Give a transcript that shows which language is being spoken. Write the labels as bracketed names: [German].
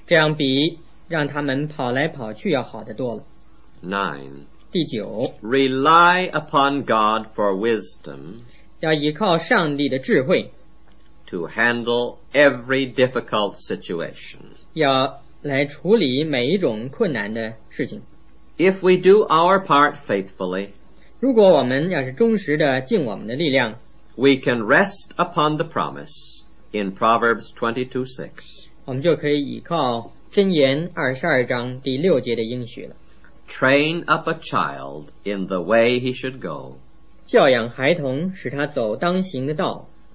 [Chinese] 这样比让他们跑来跑去要好得多了 [English] Nine [Chinese] 第九 [English] Rely upon God for wisdom [Chinese] 要依靠上帝的智慧 [English] to handle every difficult situation [Chinese] 要来处理每一种困难的事情 [English] If we do our part faithfully [Chinese] 如果我们要是忠实地尽我们的力量 [English] We can rest upon the promise in Proverbs 22:6 [Chinese] 我们就可以依靠箴言22章第六节的应许了 [English] Train up a child in the way he should go [Chinese] 教养孩童使他走当行的道